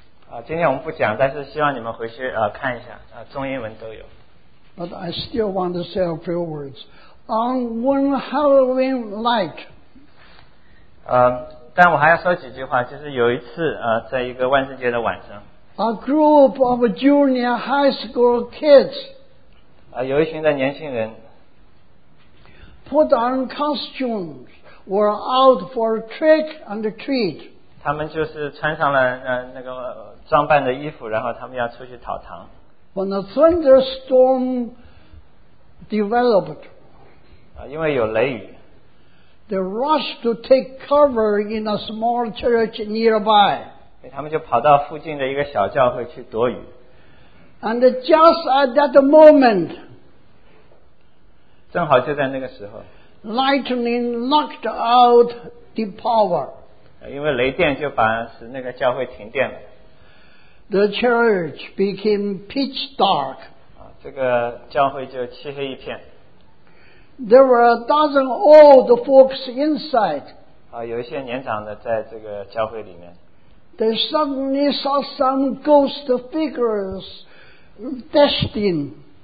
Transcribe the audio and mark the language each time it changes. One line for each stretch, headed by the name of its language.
Chinese: 啊，今天我们不讲，但是希望你们回去看一下啊，中英文都有。
English: But I still want to say a few words on one Halloween night.
Chinese: 但我还要说几句话，就是有一次在一个万圣节的晚上。
English: A group of junior high school kids.
Chinese: 有一群的年轻人。
English: Put on costumes, were out for a trick and a treat.
Chinese: 他们就是穿上了那个装扮的衣服，然后他们要出去讨糖。
English: When a thunderstorm developed,
Chinese: 因为有雷雨。
English: They rushed to take cover in a small church nearby.
Chinese: 他们就跑到附近的一个小教会去躲雨。
English: And just at that moment,
Chinese: 正好就在那个时候，
English: lightning knocked out the power.
Chinese: 因为雷电就把使那个教会停电了。
English: The church became pitch dark.
Chinese: 这个教会就漆黑一片。
English: There were a dozen old folks inside.
Chinese: 有一些年长的在这个教会里面。
English: They suddenly saw some ghost figures dashed in.